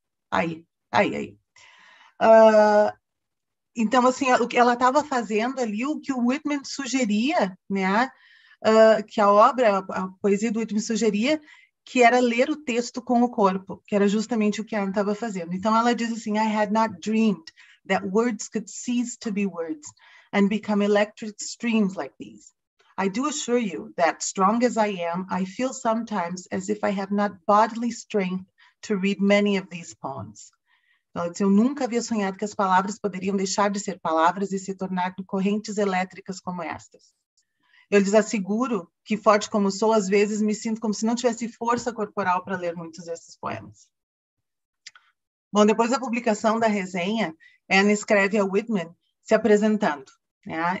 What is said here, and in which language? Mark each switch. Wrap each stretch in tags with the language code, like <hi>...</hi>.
<pt>Aí. Então, assim, o que ela estava fazendo ali, o que o Whitman sugeria, né? Que a obra, a poesia do Whitman sugeria, que era ler o texto com o corpo, que era justamente o que ela estava fazendo. Então, ela diz assim:</pt> <en>I had not dreamed that words could cease to be words and become electric streams like these. I do assure you that, strong as I am, I feel sometimes as if I have not bodily strength to read many of these poems.</en> <pt>Ela disse, eu nunca havia sonhado que as palavras poderiam deixar de ser palavras e se tornar correntes elétricas como estas. Eu lhes asseguro que, forte como sou, às vezes me sinto como se não tivesse força corporal para ler muitos desses poemas. Bom, depois da publicação da resenha, Anne escreve a Whitman se apresentando, né?</pt>